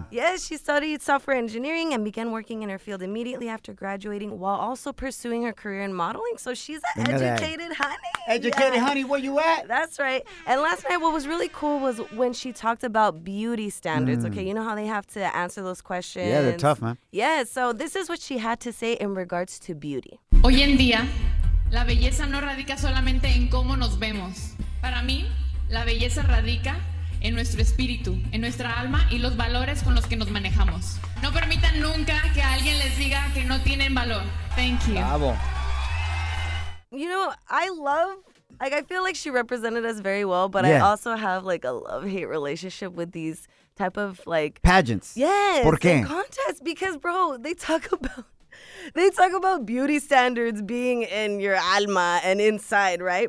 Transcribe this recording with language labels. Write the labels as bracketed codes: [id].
[en] Yes, she studied software engineering and began working in her field immediately after graduating while also pursuing her career in modeling. So she's an educated honey. Educated honey, where you at? That's right. And last night, what was really cool was when she talked about beauty standards. Mm. Okay, you know how they have to answer those questions? Yeah, they're tough, man. Yeah, so this is what she had to say in regards to beauty. [es] Hoy en día, la belleza no radica solamente en cómo nos vemos. Para mí, la belleza radica en nuestro espíritu, en nuestra alma y los valores con los que nos manejamos. No permitan nunca que alguien les diga que no tienen valor. [en] Thank you. Bravo. You know, I love, like, I feel like she represented us very well, but yeah. I also have, like, a love-hate relationship with these type of, like... Pageants. Yes. [es] ¿Por qué? [en] Contests, because, bro, they talk about beauty standards being in your alma and inside, right?